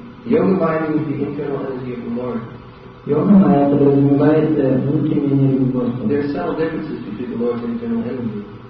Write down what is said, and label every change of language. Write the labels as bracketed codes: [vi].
[en] Yoga maya means the internal energy of the Lord. [ru] Yoga maya подразумевает внутреннюю энергию Господа. [en] There are subtle differences between the Lord's internal energy.